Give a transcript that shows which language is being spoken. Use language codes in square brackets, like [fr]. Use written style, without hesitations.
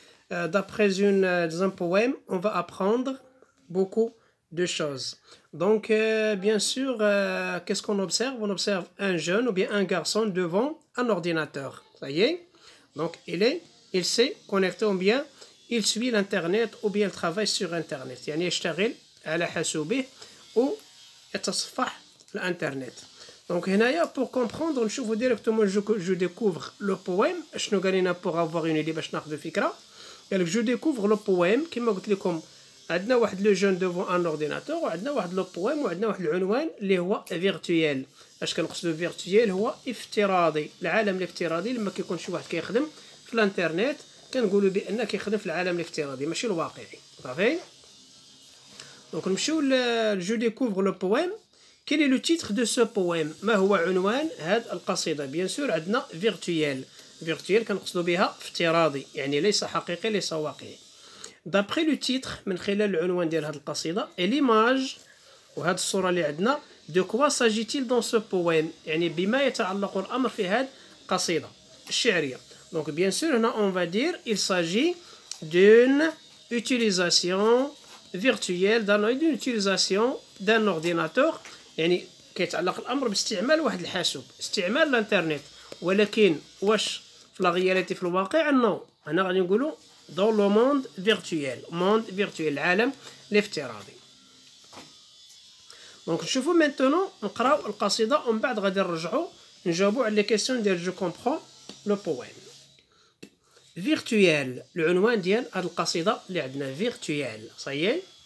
[fr] D'après un poème, on va apprendre beaucoup de choses. Donc, bien sûr, qu'est-ce qu'on observe? On observe un jeune ou bien un garçon devant un ordinateur. Ça y est? Donc, il s'est connecté ou bien il suit l'Internet ou bien il travaille sur Internet. [ar] Yani, يشتغل على حاسوبه ou يتصفح l'Internet. [fr] Donc, هنايا, pour comprendre, on chauffe directement, je découvre le poème. [ar] شنو قالينا [fr] pour avoir une idée, [ar] باش ناخذ فكرة. [fr] Donc, je découvre le poème. [ar] كيما قلت لكم, عندنا واحد لو جون [fr] devant un ordinateur, [ar] وعندنا واحد لو poème, وعندنا واحد العنوان اللي هو virtuel. اش كنقصدو فيرتويال؟ هو افتراضي، العالم الافتراضي لما كيكون شي واحد كيخدم في الانترنت كنقولو بان كيخدم في العالم الافتراضي ماشي الواقعي، صافي؟ دونك نمشيو لجو ديكوفر لو بويم، كيلي لو تيتر دو سو بويم؟ ما هو عنوان هاد القصيدة؟ بيان سور عندنا فيرتويال، فيرتويال كنقصدو بها افتراضي، يعني ليس حقيقي ليس واقعي. دابخي لو تيتر من خلال العنوان ديال هاد القصيدة، ليماج وهاد الصورة اللي عندنا [fr] De quoi s'agit-il dans ce poème? [ar] يعني بما يتعلق الأمر في هذه القصيدة الشعرية. [fr] Donc bien sûr, هنا on va dire il s'agit d'une utilisation virtuelle d'une utilisation d'un ordinateur. [ar] يعني كيتعلق الأمر باستعمال واحد الحاسوب، استعمال الإنترنت. ولكن واش في لا رياليتي في الواقع؟ نو. هنا غادي نقولوا [fr] dans le monde virtuel. [ar] Monde virtuel، العالم الافتراضي. دونك نشوفو مانتونو نقراو القصيدة ومن بعد غادي نرجعو نجاوبو على لي كيستيون ديال جو كومبخون لو بويم. فيرتويال العنوان ديال هاد القصيدة اللي عندنا فيرتويال صايي.